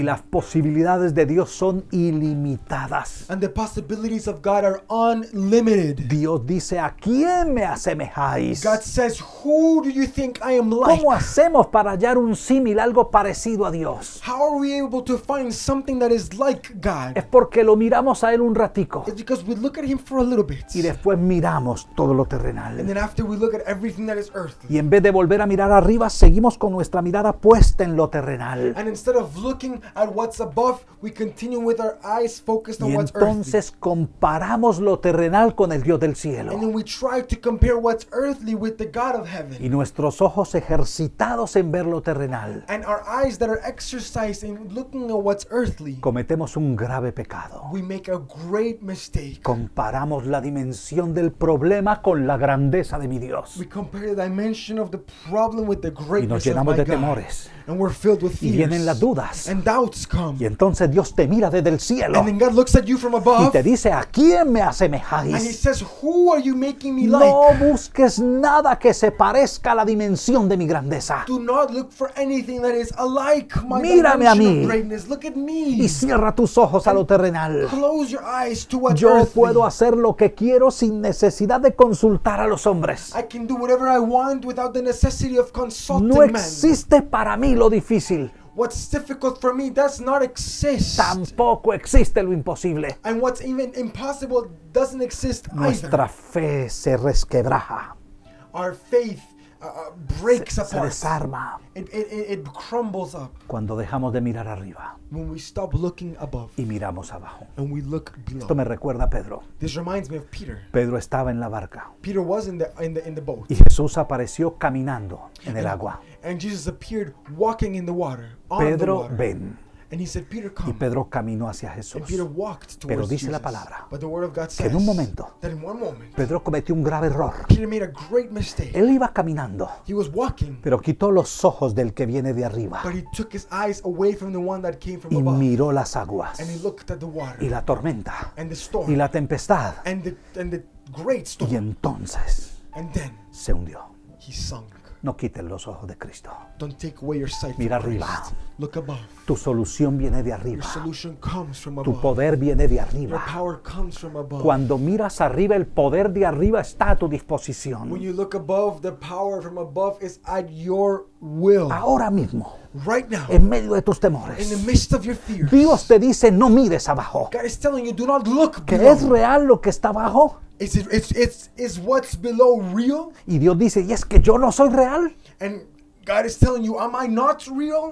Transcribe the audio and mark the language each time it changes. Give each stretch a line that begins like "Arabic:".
Spanish: Y las posibilidades de Dios son ilimitadas.
English: And the possibilities of God are unlimited.
Spanish: Dios dice, ¿a quién me asemejáis?
English: God says, who do you think I am like?
Spanish: ¿Cómo hacemos para hallar un símil, algo parecido a Dios?
English: How are we able to find something that is like God?
Spanish: Es porque lo miramos a él un ratico.
English: It's because we look at him for a little bit.
Spanish: Y después miramos todo lo terrenal.
English: And then after we look at everything that is earthly.
Spanish: Y en vez de volver a mirar arriba, seguimos con nuestra mirada puesta en lo terrenal.
English: And instead of looking at what's above, we continue with our eyes focused on what's earthly.
Spanish: Y entonces comparamos lo terrenal con el Dios del cielo.
English: And then we try to compare what's earthly with the God of heaven.
Spanish: Y nuestros ojos ejercitados en ver lo terrenal.
English: And our eyes that are exercised in looking at what's earthly.
Spanish: Cometemos un grave pecado.
English: We make a great mistake.
Spanish: Comparamos la dimensión del problema con la grandeza de mi Dios.
English: We compare the dimension of the problem with the
Spanish: y nos llenamos de temores.
English: And we're filled with fears.
Spanish: Y vienen las dudas.
English: And doubts come.
Spanish: Y entonces Dios te mira desde el cielo.
English: And then God looks at you from above.
Spanish: Y te dice, ¿a quién me asemejáis?
English: And he says, who are you making me
Spanish: no
English: like?
Spanish: No busques nada que se parezca a la dimensión de mi grandeza.
English: Do not look for anything that is alike my
Spanish: mírame a mí.
English: Greatness. Look at me.
Spanish: Y cierra tus ojos
English: and
Spanish: a lo terrenal.
English: Close your eyes to what
Spanish: yo
English: earthly.
Spanish: Puedo hacer lo que quiero sin necesidad de consultar a los hombres.
English: I can do whatever I want without the necessity of consulting
Spanish: no existe
English: men.
Spanish: Para mí lo difícil.
English: What's difficult for me does not exist.
Spanish: Tampoco existe lo imposible.
English: And what's even impossible doesn't exist either.
Spanish: Nuestra fe se resquebraja.
English: Our faith breaks apart.
Spanish: Se desarma.
English: It crumbles up.
Spanish: Cuando dejamos de mirar arriba.
English: When we stop looking above.
Spanish: Y miramos abajo.
English: And we look below.
Spanish: Esto me recuerda a Pedro.
English: This reminds me of Peter.
Spanish: Pedro estaba en la barca.
English: Peter was in the boat.
Spanish: Y Jesús apareció caminando en el agua.
English: And Jesus appeared walking in the water. On Pedro, the water.
Spanish: Ven.
English: And he said, Peter, come.
Spanish: Y Pedro caminó hacia Jesús.
English: And Peter walked towards
Spanish: pero dice
English: Jesus.
Spanish: La palabra
English: but the word of God says
Spanish: que en un momento,
English: that in one moment,
Spanish: Pedro cometió un grave error.
English: Peter made a great mistake.
Spanish: Él iba caminando.
English: He was walking.
Spanish: Pero quitó los ojos del que viene de arriba.
English: But he took his eyes away from the one that came from
Spanish: y
English: above.
Spanish: Y miró las aguas.
English: And he looked at the water.
Spanish: Y la tormenta.
English: And the storm.
Spanish: Y la tempestad.
English: And the great storm.
Spanish: Y entonces,
English: and then,
Spanish: se hundió.
English: He sunk.
Spanish: No quiten los ojos de Cristo.
English: Don't take away your sight.
Spanish: Mira arriba.
English: Look above.
Spanish: Tu solución viene de arriba.
English: Your solution comes from above.
Spanish: Tu poder viene de arriba.
English: Your power comes from above.
Spanish: Cuando miras arriba, el poder de arriba está a tu disposición.
English: When you look above, the power from above is at your will.
Spanish: Ahora mismo.
English: Right now.
Spanish: En medio de tus temores.
English: In the midst of your fears.
Spanish: Dios te dice, no mires abajo.
English: God is telling you, do not look below.
Spanish: ¿Que es real lo que está abajo?
English: Is what's below real?
Spanish: Y Dios dice, ¿y es que yo no soy real?
English: And God is telling you, am I not real?